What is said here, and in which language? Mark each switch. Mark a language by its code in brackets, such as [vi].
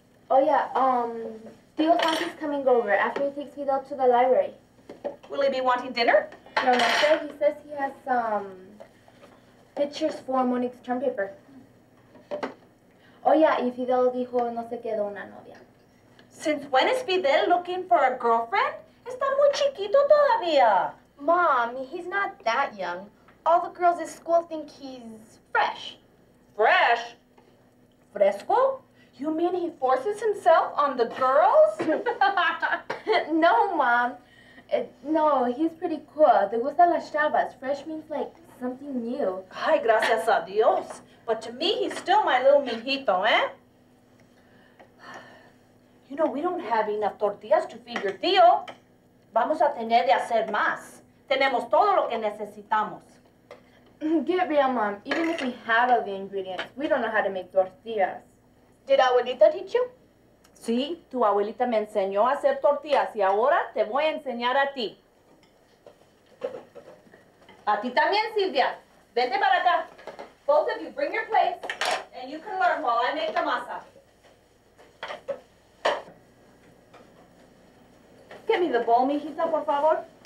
[en] Oh yeah, Theo Santi's coming over after he takes Fidel to the library. Will he be wanting dinner? No, no, sir. He says he has some pictures for Monique's term paper. [es] Oh, yeah. Y Fidel dijo no se quedó una novia. [en] Since when is Fidel looking for a girlfriend? [es] Está muy chiquito todavía. [en] Mom, he's not that young. All the girls at school think he's fresh. Fresh? Fresco? You mean he forces himself on the girls? No, Mom. No, he's pretty cool. [es] Te gustan las chavas. [en] Fresh means, like, something new. [es] Ay, gracias a Dios. [en] But to me, he's still my little mijito, eh? You know, we don't have enough tortillas to feed your tío. [es] Vamos a tener de hacer más. Tenemos todo lo que necesitamos. [en] Get real, Mom. Even if we have all the ingredients, we don't know how to make tortillas. Did abuelita teach you? [es] Sí, tu abuelita me enseñó a hacer tortillas y ahora te voy a enseñar a ti. A ti también, Silvia. Vente para acá. [en] Both of you, bring your plates and you can learn while I make the masa. Give me the bowl, mijita, [es] por favor.